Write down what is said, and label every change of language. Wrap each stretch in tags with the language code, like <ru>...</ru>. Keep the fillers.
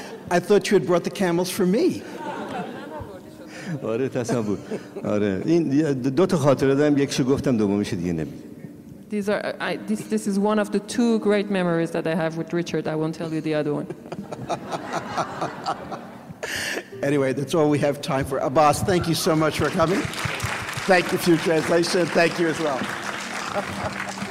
<en>I thought you had brought the camels for me.</en> <fa>آره تصور آره این دو تا خاطره دارم یکشو گفتم دومیش دیگه نمیگم</fa> <en>These are, I, this, this is one of the two great memories that I have with Richard. I won't tell you the other one. Anyway, that's all we have time for. Abbas, thank you so much for coming. Thank you for your translation. Thank you as well.</en>